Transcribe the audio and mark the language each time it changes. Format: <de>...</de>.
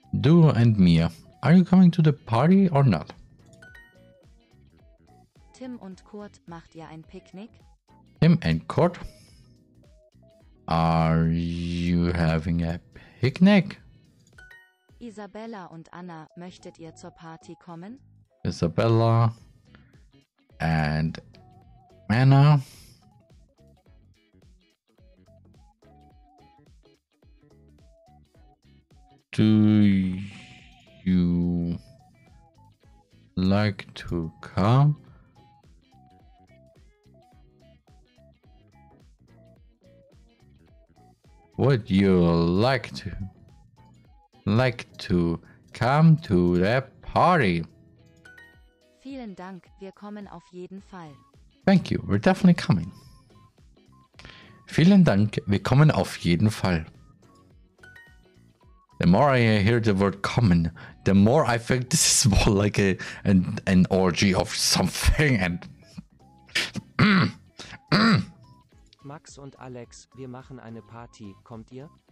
<en>Duo and Mia, are you coming to the party or not?</en> <de>Tim und Kurt, macht ihr ein Picknick?</de> <en>Tim and Kurt, are you having a picnic?</en> <de>Isabella und Anna, möchtet ihr zur Party kommen?</de> <en>Isabella and Anna. Do you like to come? Would you like to? Like to come to the party.</en> <de>Vielen Dank, wir kommen auf jeden Fall.</de> <en>Thank you, we're definitely coming.</en> <de>Vielen Dank, wir kommen auf jeden Fall.</de> <en>The more I hear the word kommen, the more I think this is more like an orgy of something and...</en> <de>Max und Alex, wir machen eine Party, kommt ihr?</de>